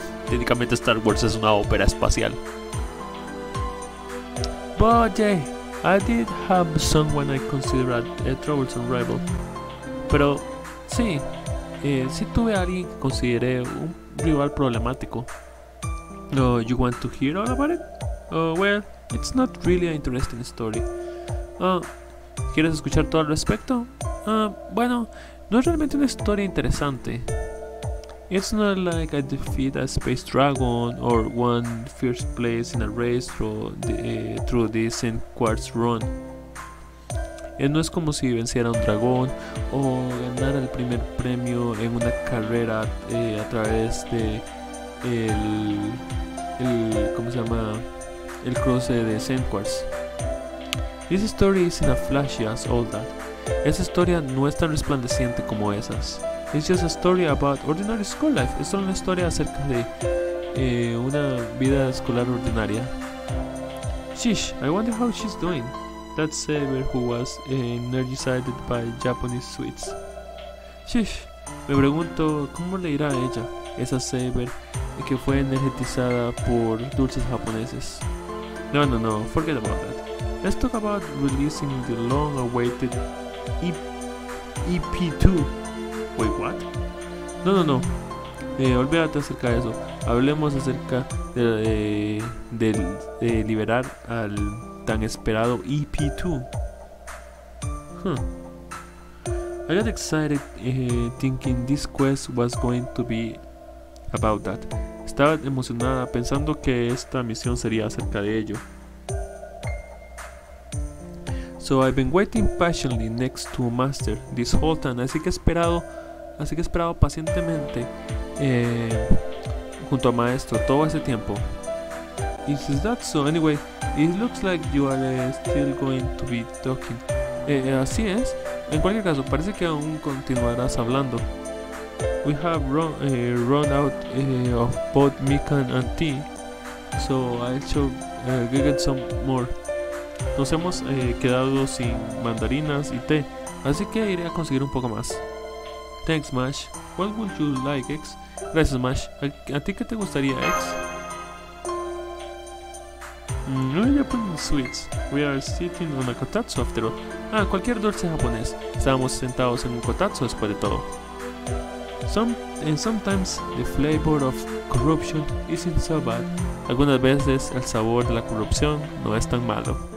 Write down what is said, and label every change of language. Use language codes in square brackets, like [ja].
[es] Técnicamente Star Wars es una ópera espacial. [en] But yeah, I did have someone I considered a troublesome rival. [es] Pero sí, sí tuve a alguien que consideré un rival problemático. [en] You want to hear all about it? Well, it's not really an interesting story. [es] ¿Quieres escuchar todo al respecto? Bueno, no es realmente una historia interesante. [en] It's not like I defeat a space dragon or won first place in a race through this in quartz run. [es] No es como si venciera a un dragón o ganara el primer premio en una carrera a través de el ¿cómo se llama? El cruce de Sandquartz. [en] This story isn't as flashy as all that. [es] Esa historia no es tan resplandeciente como esas. [en] It's just a story about ordinary school life. [es] Es solo una historia acerca de una vida escolar ordinaria. [en] Sheesh, I wonder how she's doing. That saber who was energized by Japanese sweets. [es] Sheesh, me pregunto cómo le irá a ella esa saber que fue energizada por dulces japoneses. [en] No, forget about that. Let's talk about releasing the long-awaited EP2. Wait, what? No. [es] Olvídate acerca de eso. Hablemos acerca de liberar al tan esperado EP2. Huh. [en] I got excited thinking this quest was going to be about that. [es] Estaba emocionada pensando que esta misión sería acerca de ello. [en] So I've been waiting patiently next to Master this whole time. [es] Así que he esperado pacientemente junto a Maestro todo ese tiempo. [en] Is that so? Anyway, it looks like you are still going to be talking. [es] Así es. En cualquier caso, parece que aún continuarás hablando. [en] We have run out of both Mikan and tea, so I should get some more. [es] Nos hemos quedado sin mandarinas y té, así que iré a conseguir un poco más. [en] Thanks, Mash. What would you like, X? [es] Gracias, Mash. ¿A ti qué te gustaría, X? No hay [en] Japanese sweets. We are sitting on a kotatsu after all. [es] Ah, cualquier dulce japonés. Estábamos sentados en un kotatsu después de todo. [en] Sometimes the flavor of corruption isn't so bad. [es] Algunas veces el sabor de la corrupción no es tan malo.